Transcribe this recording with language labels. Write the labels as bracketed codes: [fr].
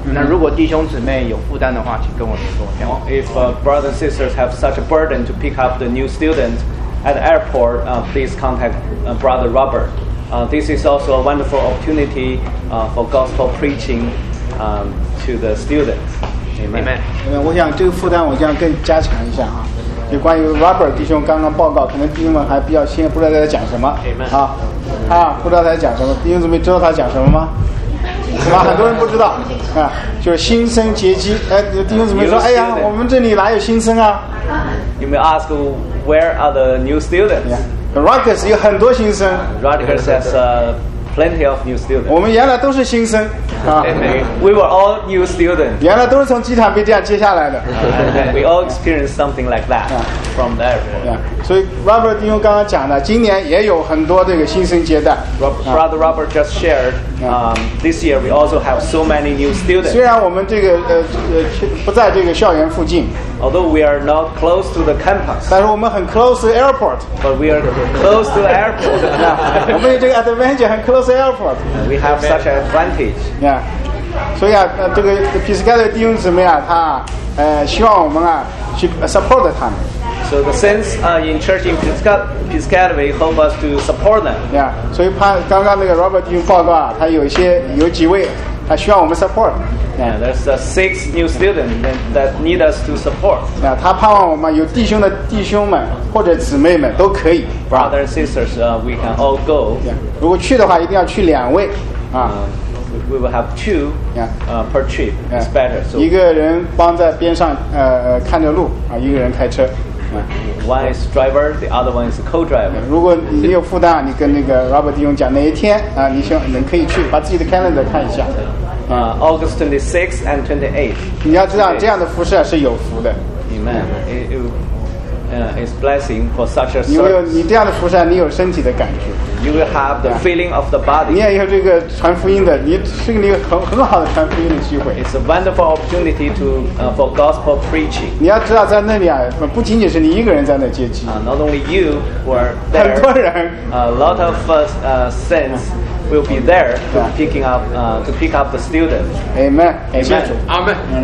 [zh] 那如果弟兄姊妹有负担的话，请跟我联络。 [en] If brothers and sisters have such a burden to pick up the new student at the airport, please contact brother Robert. This is also a wonderful opportunity for gospel preaching to the students. Amen. [zh] 我想这个负担我将更加强一下啊，就关于 Robert 弟兄刚刚报告，可能弟兄们还比较新，不知道在讲什么。 [en] Amen. [zh] 啊，不知道在讲什么，弟兄姊妹知道他讲什么吗？什么？很多人不知道啊，就是新生结基。哎，弟兄姊妹说，哎呀，我们这里哪有新生啊 [en] ？You may ask where are the new students? Yeah, the Rockers [zh] 有很多新生。 [en] Rockers has plenty of new students. [zh] 我们原来都是新生。 [en] We were all new students. [zh] 原来都是从机场被这样接下来的。 [en] We all experienced something like that from the airport. [zh] 所以 Robert 弟兄刚刚讲的，今年也有很多这个新生接待。 [en] Brother Robert just shared, this year we also have so many new students. [zh] 虽然我们这个不在这个校园附近。 [en] Although we are not close to the campus. [zh] 但是我们很 [en] close to the airport. But we are close to the airport. [zh] 我们这个 advantage 很 [en] close to the airport. We have such an advantage. [zh] 所以啊，这个Piscataway弟兄姊妹啊，他希望我们啊去support他们。 [en] So the saints in church in Piscataway hope us to support them. Yeah. [zh] 所以刚刚那个 Robert 弟兄报告啊，他有几位他需要我们 support。 [en] Yeah, there's six new students that need us to support. [zh] 他盼望我们有弟兄的弟兄们或者姊妹们都可以。 [en] Brothers and sisters, we can all go. Yeah. [zh] 如果去的话，一定要去两位啊。 [en] We will have two per trip. It's better. So, [zh] 一个人帮在边上看着路啊，一个人开车。 [en] One is driver, the other one is co-driver. [zh] 如果你有负担，你跟那个 Robert 弟兄讲哪一天啊，你想能可以去，把自己的 calendar 看一下。 [en] August 26th and 28th. [zh] 你要知道，这样的服侍是有福的。 [en] Amen. It's blessing for such a service. [zh] 你这样的服侍，你有身体的感觉。 [en] You will have the feeling of the body. [zh] 你也有这个传福音的，你是一个很好的传福音的机会。 [en] It's a wonderful opportunity to for gospel preaching. [zh] 你要知道，在那里啊，不仅仅是你一个人在那接机。 [en] Not only you were there. [zh] 很多人。 [en] A lot of saints will be there to pick up the students. Amen. Amen. Amen.